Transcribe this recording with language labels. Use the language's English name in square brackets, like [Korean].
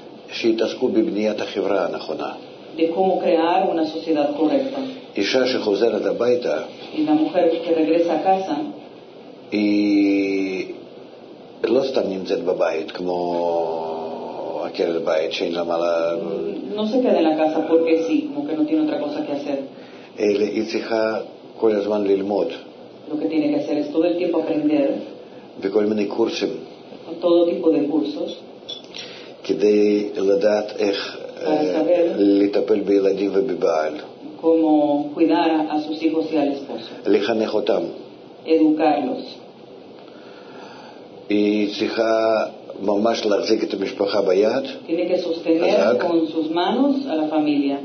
[Hebrew] שיתעסקו בבניית החברה הנכונה. [Spanish] De cómo crear una sociedad correcta. [Hebrew] אישה שחוזרת הביתה, [Spanish] la mujer que regresa a casa, [Hebrew] היא לא סתם נמצאת בבית כמו עקרת בית שאין לה מה [Spanish] no se queda en la casa porque sí, como que no tiene otra cosa que hacer. [Hebrew] היא צריכה כל הזמן ללמוד. [Spanish] Lo que tiene que hacer es todo el tiempo aprender. [Hebrew] בכל מיני קורסים. [Spanish] Con todo tipo de cursos. [Hebrew] כדי לדעת איך לטפל בילדים ובבעל, כמו [Spanish] cuidar a sus hijos y al esposo, [Hebrew] לחנך אותם, [Spanish] educarlos. [Hebrew] היא צריכה ממש להחזיק את המשפחה ביד, [Spanish] tiene que sostener con sus manos a la familia,